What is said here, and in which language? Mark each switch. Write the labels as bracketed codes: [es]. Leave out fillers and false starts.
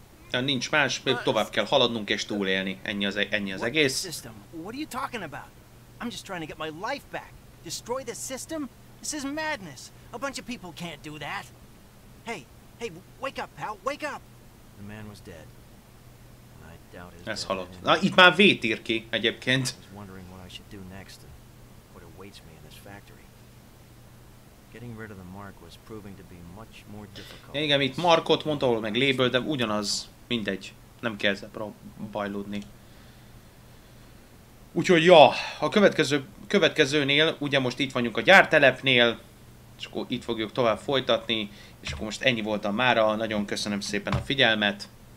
[hu] Ja, nincs más, még tovább kell haladnunk és túlélni. Ennyi az egész. [en] System? What are you talking about? I'm just trying to get my life back. Destroy the system? This is madness. A bunch of people can't do that. Hey. Hey, wake up, pal, wake up! The man was dead. And I doubt his [hu] ez halott. Na, itt már V-t ír ki, egyébként. [en] I was wondering what I should do next and what awaits me in this factory. Getting rid of the mark was proving to be much more difficult. [hu] Ja, igen, itt Markot mondta, ahol meg Label, de ugyanaz, mindegy. Nem kell ezzel bajlódni. Úgyhogy ja, a következőnél, ugye most itt vagyunk a gyártelepnél, és akkor itt fogjuk tovább folytatni. És akkor most ennyi voltam mára, nagyon köszönöm szépen a figyelmet.